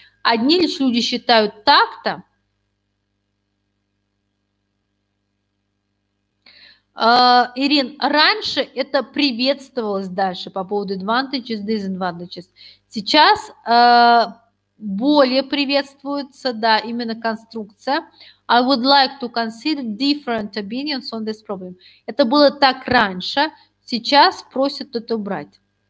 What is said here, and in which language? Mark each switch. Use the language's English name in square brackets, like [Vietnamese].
[Russian] Одни лишь люди считают так-то, Ирин, раньше это приветствовалось дальше по поводу [English] advantages, disadvantages. [Russian] Сейчас более приветствуется, да, именно конструкция. [English] I would like to consider different opinions on this problem. [Russian] Это было так раньше, сейчас просят это убрать.